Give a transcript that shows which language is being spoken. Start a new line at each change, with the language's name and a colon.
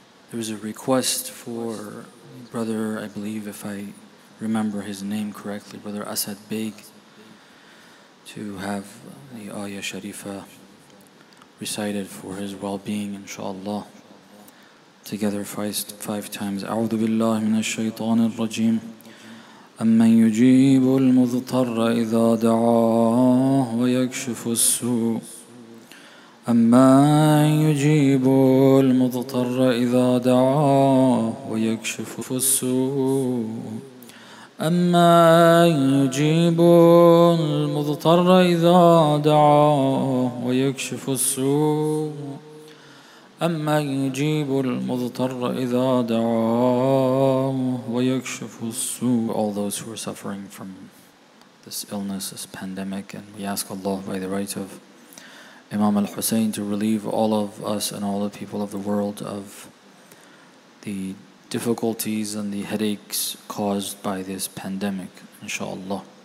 English: There was a request for brother, I believe if I remember his name correctly, brother Asad Beg, to have the Ayah Sharifa recited for his well-being, inshallah. together five times.
Arabic: أعوذ بالله من الشيطان الرجيم. أمن يجيب المضطر إذا دعاه ويكشف السوء. أمن يجيب المضطر إذا دعاه ويكشف السوء. أمن يجيب المضطر إذا دعاه ويكشف السوء. أمن يجيب المضطر إذا دعاه ويكشف السوء.
English: All those who are suffering from this illness, this pandemic, and we ask Allah by the right of Imam al-Hussein to relieve all of us and all the people of the world of the difficulties and the headaches caused by this pandemic, inshallah.